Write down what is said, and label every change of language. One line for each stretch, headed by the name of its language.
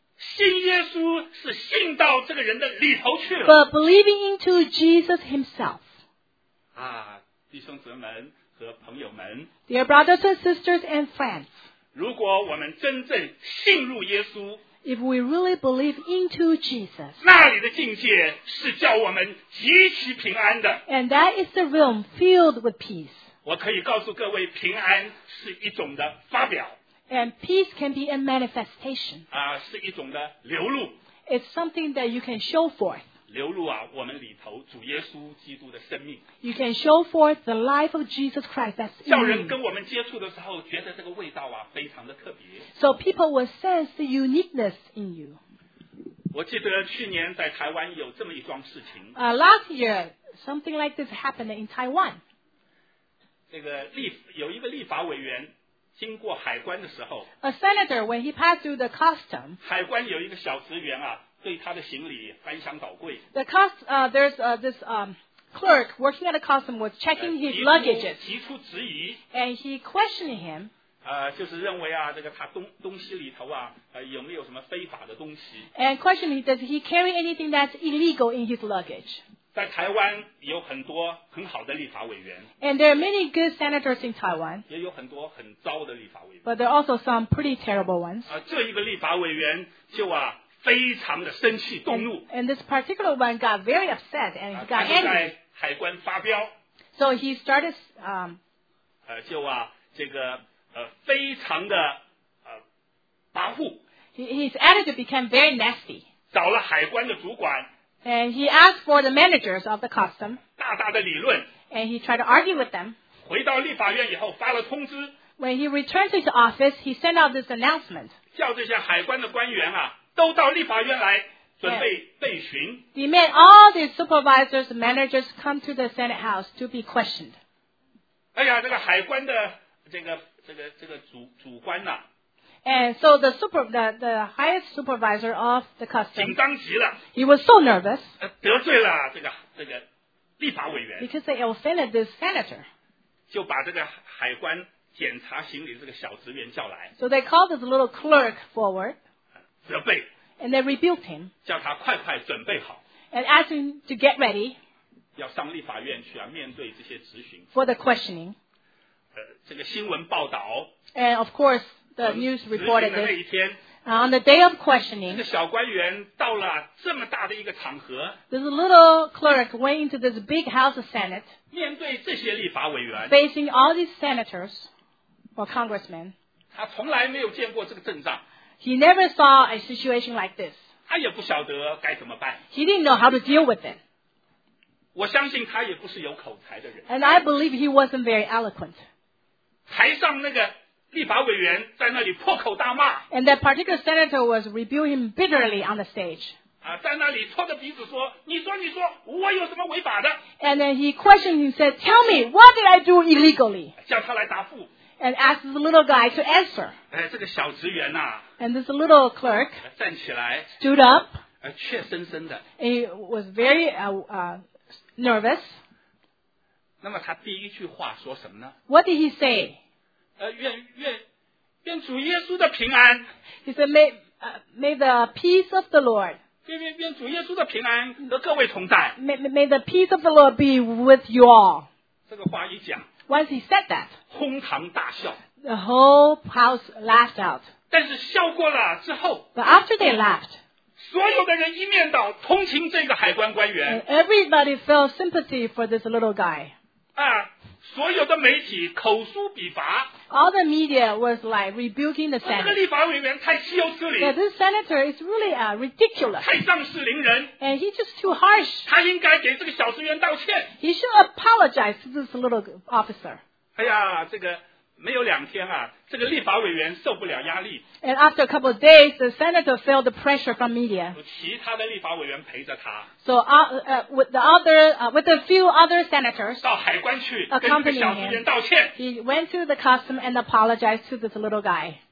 Chinese: 信耶稣是信到这个人的里头去了。
English: But believing into Jesus himself.
Chinese: 啊，弟兄姊妹们和朋友们。
English: Dear brothers and sisters and friends.
Chinese: 如果我们真正信入耶稣。
English: If we really believe into Jesus,
Chinese: 那里的境界是叫我们极其平安的。
English: And that is the realm filled with peace.
Chinese: 我可以告诉各位，平安是一种的发表。
English: And peace can be a manifestation.
Chinese: 啊，是一种的流露。
English: It's something that you can show forth.
Chinese: 流露啊，我们里头主耶稣基督的生命。
English: You can show forth the life of Jesus Christ that's in you.
Chinese: 叫人跟我们接触的时候，觉得这个味道啊，非常的特别。
English: So people will sense the uniqueness in you.
Chinese: 我记得去年在台湾有这么一桩事情。
English: Last year, something like this happened in Taiwan.
Chinese: 那个有一个立法委员经过海关的时候。
English: A senator, when he passed through the custom.
Chinese: 海关有一个小职员啊。对他的行李翻箱倒柜。
English: The cost, there's this clerk working at a custom was checking his luggage.
Chinese: 提出质疑。
English: And he questioned him.
Chinese: 就是认为啊，这个他东西里头啊，有没有什么非法的东西
English: ？And questioned him, does he carry anything that's illegal in his luggage?
Chinese: 在台湾有很多很好的立法委员。
English: And there are many good senators in Taiwan.
Chinese: 也有很多很糟的立法委员。
English: But there are also some pretty terrible ones.
Chinese: 这一个立法委员就啊。非常的生气动怒
English: and this particular one got very upset and he got angry
Chinese: 他就在海关发飙
English: so he started
Chinese: 就啊这个非常的跋扈
English: his attitude became very nasty
Chinese: 找了海关的主管
English: and he asked for the managers of the custom
Chinese: 大大的理论
English: and he tried to argue with them
Chinese: 回到立法院以后发了通知
English: when he returned to his office he sent out this announcement
Chinese: 叫这些海关的官员啊都到立法院来准备备询。
English: Demand all the supervisors, managers come to the Senate House to be questioned.
Chinese: 哎呀，这个海关的这个主官呐、啊。
English: And so the highest supervisor of the custom.
Chinese: 紧张极了。
English: He was so nervous.
Chinese: 得罪了这个立法委员。
English: Because they offended this senator.
Chinese: 就把这个海关检查行李这个小职员叫来。
English: So they called this little clerk forward.
Chinese: 责备
English: And they rebuked him.
Chinese: 叫他快快准备好。
English: And asked him to get ready.
Chinese: 要上立法院去啊，面对这些质询。
English: For the questioning.
Chinese: 这个新闻报道。
English: And of course, the news reported this.
Chinese: 那一天。
English: On the day of questioning,
Chinese: 这个小官员到了这么大的一个场合。
English: This little clerk went into this big house of Senate.
Chinese: 面对这些立法委员。
English: Facing all these senators or congressmen.
Chinese: 他从来没有见过这个阵仗。
English: He never saw a situation like this.
Chinese: 他也不晓得该怎么办。
English: He didn't know how to deal with it.
Chinese: 我相信他也不是有口才的人。
English: And I believe he wasn't very eloquent.
Chinese: 台上那个立法委员在那里破口大骂。
English: And that particular senator was rebuking him bitterly on the stage.
Chinese: 在那里拖着鼻子说，你说，我有什么违法的？
English: And then he questioned him, said, tell me, what did I do illegally?
Chinese: 叫他来答复。
English: And asked the little guy to answer.
Chinese: 这个小职员啊。
English: And this little clerk
Chinese: 站起来,
English: stood up.
Chinese: 怯生生的,
English: he was very nervous.
Chinese: 那么他第一句话说什么呢?
English: What did he say?
Chinese: 愿主耶稣的平安。
English: He said, may the peace of the Lord.
Chinese: 愿主耶稣的平安和各位同在。
English: May the peace of the Lord be with you all.
Chinese: 这个话一讲,
English: once he said that,
Chinese: 哄堂大笑,
English: the whole house laughed out.
Chinese: 但是笑过了之后
English: But after they laughed,
Chinese: 所有的人一面倒同情这个海关官员
English: Everybody felt sympathy for this little guy.
Chinese: 所有的媒体口诛笔伐
English: All the media was like rebuking the senator.
Chinese: 这个立法委员太岂有此理
English: Yeah, this senator is really ridiculous.
Chinese: 太仗势凌人
English: And he's just too harsh.
Chinese: 他应该给这个小职员道歉
English: He should apologize to this little officer.
Chinese: 哎呀这个没有两天啊这个立法委员受不了压力。
English: And after a couple of days, the senator felt the pressure from media.
Chinese: 其他的立法委员陪着他。
English: So, with a few other senators,
Chinese: 到海关去跟这个小职员道歉。
English: He went to the custom and apologized to this little guy.